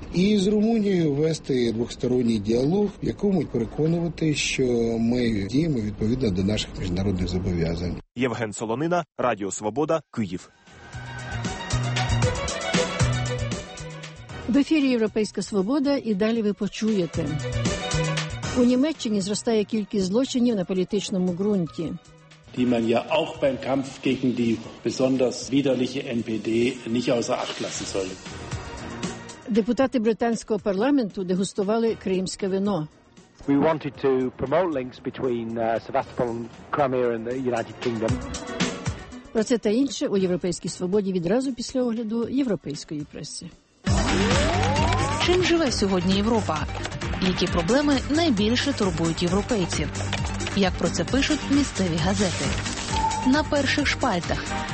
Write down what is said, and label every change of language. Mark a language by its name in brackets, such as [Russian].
[Ukrainian] І з Румунією вести двосторонній діалог, в якому переконувати, що ми діємо відповідно до наших міжнародних зобов'язань. Євген Солонина, Радіо Свобода, Київ. В ефірі «Європейська свобода» і далі ви почуєте. У Німеччині зростає кількість злочинів на політичному ґрунті. [German] Die man ja auch beim Kampf gegen die besonders widerliche NPD nicht außer Acht lassen soll. [Ukrainian] Депутати британського парламенту дегустували кримське вино. [English] We wanted to promote links between Sevastopol and Crimea and the United Kingdom. [Ukrainian] Про це та інше у Європейській свободі відразу після огляду європейської преси. Чим живе сьогодні Європа? Які проблеми найбільше турбують європейців? Як про це пишуть місцеві газети? На перших шпальтах.